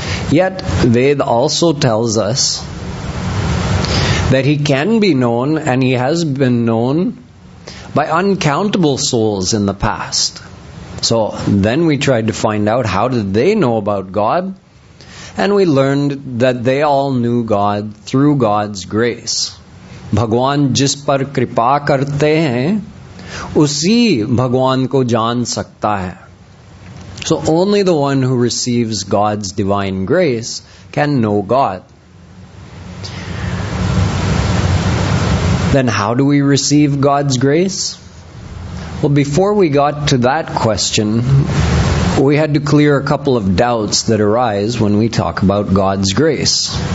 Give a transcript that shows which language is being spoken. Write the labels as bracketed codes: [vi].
[en] Yet, Ved also tells us that He can be known, and He has been known by uncountable souls in the past. So then we tried to find out, how did they know about God? And we learned that they all knew God through God's grace. [hi] भगवान जिस पर कृपा करते हैं, उसी भगवान को जान सकता है. [en] So only the one who receives God's divine grace can know God. Then how do we receive God's grace? Well, before we got to that question, we had to clear a couple of doubts that arise when we talk about God's grace.